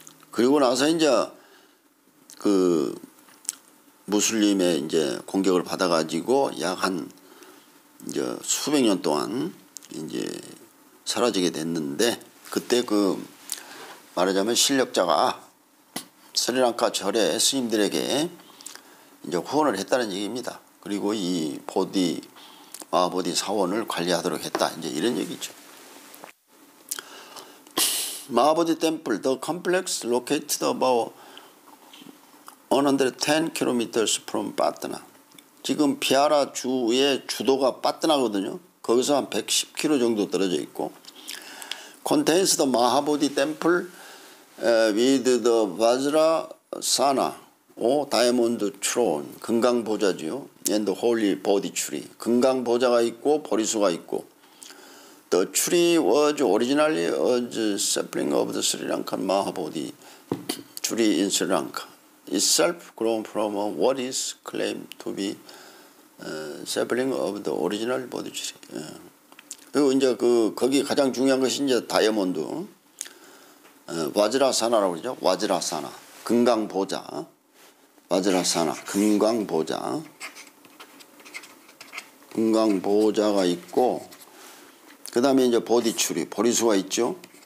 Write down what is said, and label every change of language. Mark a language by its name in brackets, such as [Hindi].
[Korean] 그리고 나서 이제 그 무슬림의 이제 공격을 받아가지고 약 한 이제 수백 년 동안 이제 사라지게 됐는데 그때 그 말하자면 실력자가 스리랑카 절에 스님들에게 이제 후원을 했다는 얘기입니다. 그리고 이 보디 마하보디 사원을 관리하도록 했다. 이제 이런 얘기죠. [English] 마하보디 템플, the complex located about 110 km from Patna. [Korean] 지금 비하라 주의 주도가 빠트나거든요. 거기서 한 110 km 정도 떨어져 있고 [English] contains the Mahabodhi temple with the Vajrasana or diamond throne, [Korean] 금강보좌지요. [English] And the holy Bodhi tree. [Korean] 금강보좌가 있고 보리수가 있고 [English] the tree was originally a sapling of the Sri Lankan Mahabodhi tree in Sri Lanka. Itself grown from what is claimed to be sapling of the original Bodhi tree. [Korean] 그리고 이제 그 거기 가장 중요한 것이 이제 다이아몬드 와즈라사나라고 그러죠. 와즈라사나 금강보좌. 와즈라사나 금강보좌. 금강보좌가 있고 그 다음에 이제 보디추리 보리수가 있죠.